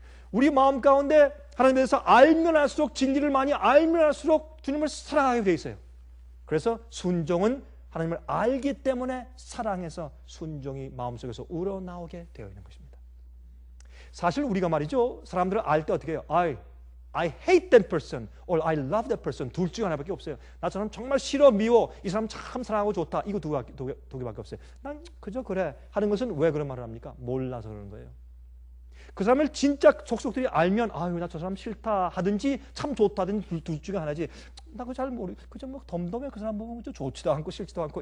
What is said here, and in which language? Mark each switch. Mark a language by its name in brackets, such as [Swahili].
[Korean] 우리 마음 가운데 하나님에 대해서 알면 할수록, 진리를 많이 알면 할수록 주님을 사랑하게 되어 있어요. 그래서 순종은 하나님을 알기 때문에 사랑해서 순종이 마음속에서 우러나오게 되어 있는 것입니다. 사실 우리가 말이죠, 사람들을 알 때 어떻게 해요? [English] I hate that person or I love that person. [Korean] 둘 중 하나밖에 없어요. 나처럼 정말 싫어, 미워, 이 사람 참 사랑하고 좋다, 이거 두 개밖에 없어요. 난 그저 그래 하는 것은 왜 그런 말을 합니까? 몰라서 그러는 거예요. 그 사람을 진짜 속속들이 알면 아유 나 저 사람 싫다 하든지 참 좋다 하든지 둘 중에 하나지. 나 그거 잘 모르 그저 뭐 덤덤해 그 사람 보면 좋지도 않고 싫지도 않고.